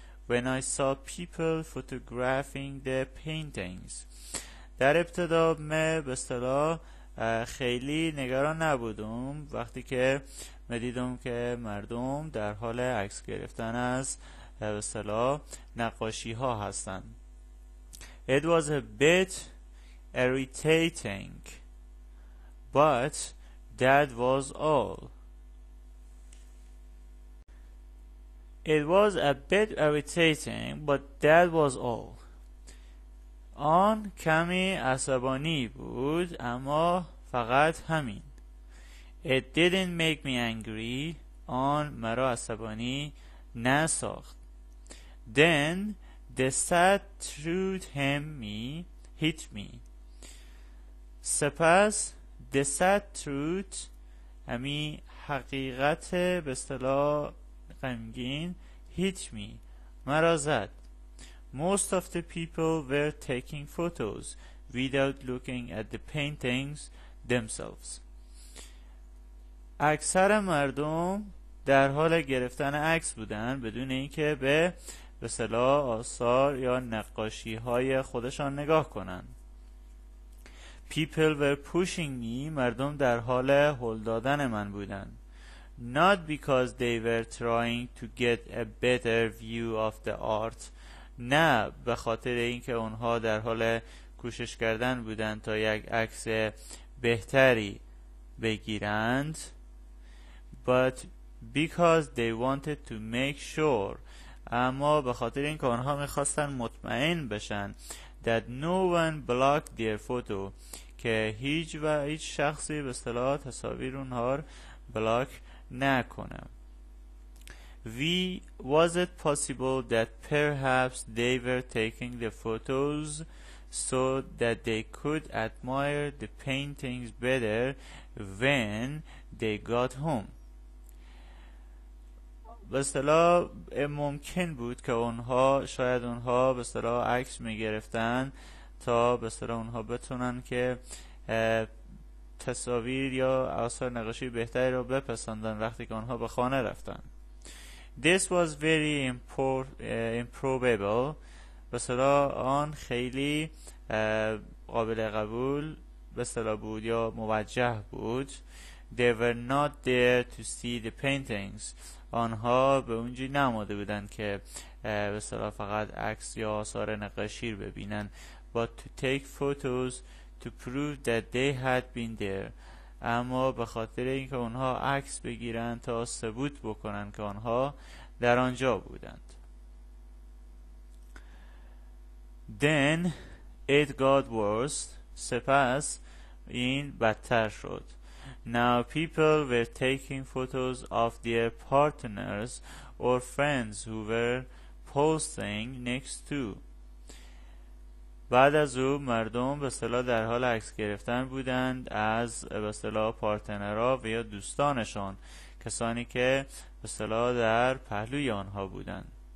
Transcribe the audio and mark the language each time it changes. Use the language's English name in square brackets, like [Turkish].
[English] When I saw people photographing the paintings. [Persian] در ابتدا من به اصطلاح خیلی نگران نبودم وقتی که میدیدم که مردم در حال عکس گرفتن از به اصطلاح نقاشی ها هستند. [English] It was a bit irritating, but that was all. It was a bit irritating, but that was all. [Persian] آن کمی عصبانی بود، اما فقط همین. [English] It didn't make me angry. [Persian] آن مرا عصبانی نساخت. [English] Then the sad truth hit me. [Persian] سپس [English] the sad truth [Persian] همی حقیقت به اصطلاح غمگین [English] hit me. [Persian] مرا زد. [English] Most of the people were taking photos without looking at the paintings themselves. [Persian] اکثر مردم در حال گرفتن عکس بودند بدون اینکه به اصطلاح آثار یا نقاشی های خودشان نگاه کنند. [English] People were pushing me. [Persian] مردم در حال هل دادن من بودند. [English] Not because they were trying to get a better view of the art. [Persian] نه به خاطر اینکه اونها در حال کوشش کردن بودند تا یک عکس بهتری بگیرند. [English] But because they wanted to make sure. [Persian] اما به خاطر اینکه اونها میخواستن مطمئن بشن. [English] That no one blocked their photo. [Persian] که هیچ و هیچ شخصی به اصطلاح تصاویر اونها بلاک نکنم. [English] Was it possible that perhaps they were taking the photos so that they could admire the paintings better when they got home? [Persian] به اصطلاح ممکن بود که اونها شاید اونها به اصطلاح عکس میگرفتن تا به اصطلاح اونها بتونن که تصاویر یا آثار نقاشی بهتری را بپسندن وقتی که آنها به خانه رفتن. [English] This was very improbable. [Persian] به اصطلاح آن خیلی قابل قبول به اصطلاح بود یا موجه بود. [English] They were not there to see the paintings. [Persian] آنها به اونجی نماده بودن که به اصطلاح فقط عکس یا آثار نقاشی رو ببینن. [English] But to take photos to prove that they had been there. [Persian] اما به خاطر اینکه اونها عکس بگیرند تا ثبوت بکنند که آنها در آنجا بودند. [English] Then it got worse. [Persian] سپس این بدتر شد. [English] Now people were taking photos of their partners or friends who were posing next to. [Persian] بعد از او مردم به اصطلاح در حال عکس گرفتن بودند از به اصطلاح پارتنرها و یا دوستانشان کسانی که به اصطلاح در پهلوی آنها بودند.